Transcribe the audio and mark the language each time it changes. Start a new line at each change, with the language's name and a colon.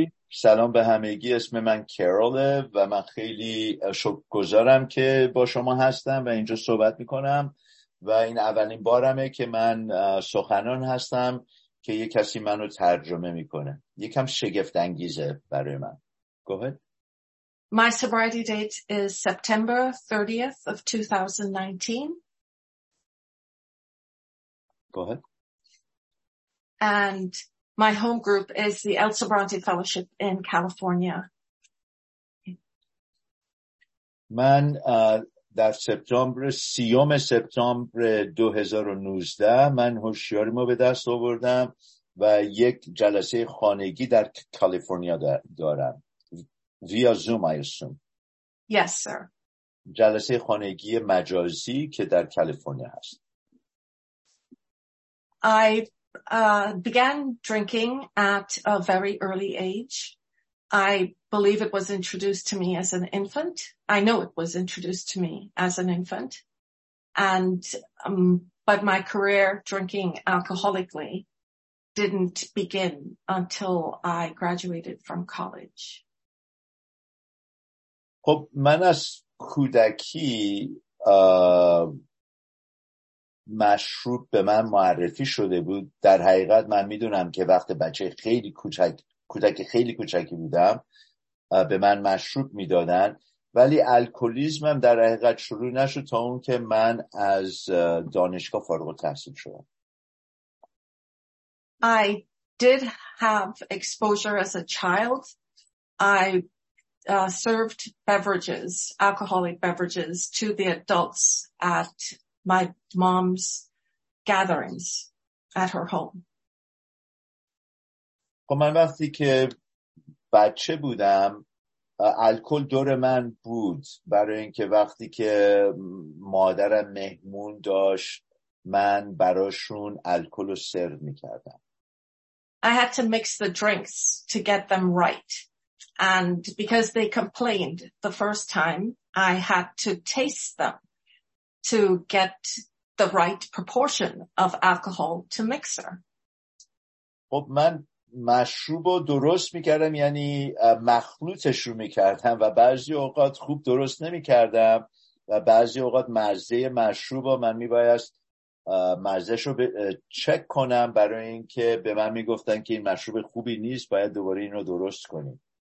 Persian: سلام به همگی، اسم من کاروله و من خیلی شکرگزارم که با شما هستم و اینجا صحبت میکنم و این اولین بارمه که من سخنان هستم که یک کسی منو ترجمه میکنه. یکم شگفت انگیزه برای من.
English: Go ahead. My sobriety date is September 30th of 2019. Go ahead. And my home group is the El Sobrante Fellowship in California.
Persian: من در سپتامبر 30 سپتامبر 2019 من هوشیاریمو به دست آوردم و یک جلسه خانگی در کالیفرنیا دارم.
English: Via Zoom, I assume. Yes, sir.
Persian: جلسه خانگی مجازی که در کالیفرنیا هست.
English: I began drinking at a very early age. I believe it was introduced to me as an infant. I know it was introduced to me as an infant. And but my career drinking alcoholically didn't begin until I graduated from college.
Persian: خب من از کودکی مشروب به من معرفی شده بود. در حقیقت من میدونم که وقت بچه خیلی کوچک، کودک خیلی کوچکی بودم، به من مشروب میدادن، ولی الکلیزمم در حقیقت شروع نشد تا اون که من از دانشگاه فارغ التحصیل شدم.
English: I did have exposure as a child. I served beverages, alcoholic beverages to the adults at my mom's gatherings at her home.
Persian: خب من وقتی که بچه بودم الکل دور من بود، برای اینکه وقتی که مادرم مهمون داشت من براشون الکل رو سرو می‌کردم.
English: I had to mix the drinks to get them right. And because they complained the first time, I had to taste them to get the right proportion of alcohol to mixer.
Persian: خب من مشروب رو درست میکردم، یعنی مخلوطش رو میکردم و بعضی اوقات خوب درست نمیکردم و بعضی اوقات مزه مشروب رو من میبایست مزهش رو چک کنم، برای اینکه به من میگفتن که این مشروب خوبی نیست، باید دوباره این رو درست کنیم.